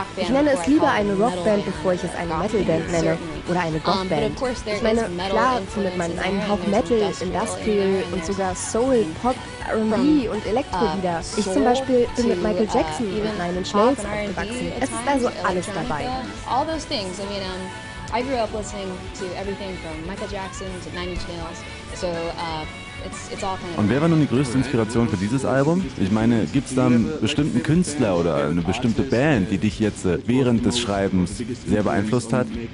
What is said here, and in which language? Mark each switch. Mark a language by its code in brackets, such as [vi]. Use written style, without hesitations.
[de] Ich nenne es lieber eine Rockband, bevor ich es eine Metalband nenne. Oder eine Goth-Band. Ich meine, klar findet man einen Hauch Metal, Industrial und sogar Soul, Pop, R&B und Elektro wieder. Ich zum Beispiel bin mit Michael Jackson und Nine Inch Nails aufgewachsen. Es ist also alles dabei. [en] All those things. I mean, I grew up listening to everything from Michael Jackson to Nine Inch Nails. So it's all kind of. [de] Und wer war nun die größte Inspiration für dieses Album? Ich meine, gibt es da einen bestimmten Künstler oder eine bestimmte Band, die dich jetzt während des Schreibens sehr beeinflusst hat?